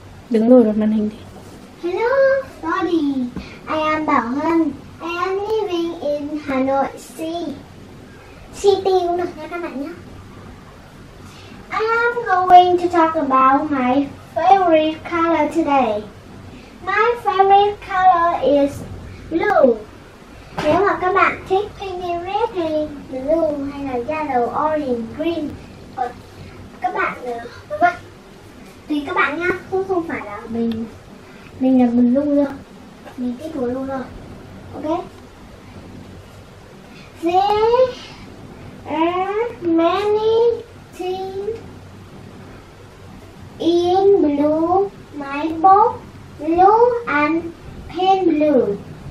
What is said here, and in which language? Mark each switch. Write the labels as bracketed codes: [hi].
[vi] Đứng ngồi vào màn hình đi. [en] Hello, Daddy. I am Bảo Hân. I am living in Hà Nội City [vi] cũng được nha các bạn nhé. [en] I am going to talk about my favorite color today. My favorite color is blue. [vi] Nếu mà các bạn thích pink hay red hay blue hay là yellow, orange, green, các bạn tùy các bạn nhá, cũng không phải là mình là blue đâu, mình thích blue rồi. [en] Ok. There are many things in blue, my book blue and pen blue.